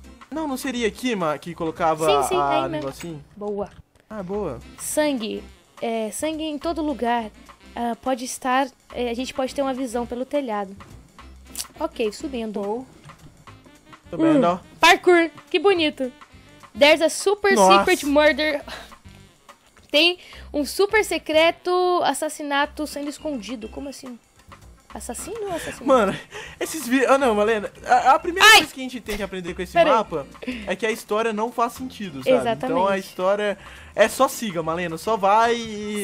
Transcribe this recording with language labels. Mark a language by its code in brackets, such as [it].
[pt] Não seria aqui, que colocava sim, o negocinho? Boa. Ah, boa. Sangue. É, sangue em todo lugar. Pode estar... A gente pode ter uma visão pelo telhado. Ok, subindo. Oh. Tô vendo, ó. Parkour, que bonito. [en] There's a super secret murder. [pt] Tem um super secreto assassinato sendo escondido. Como assim? Assassino ou assassino? Mano, esses vídeos... Ah, não, Malena. A primeira coisa que a gente tem que aprender com esse mapa é que a história não faz sentido, sabe? Exatamente. Então a história... É só siga, Malena. Só vai e...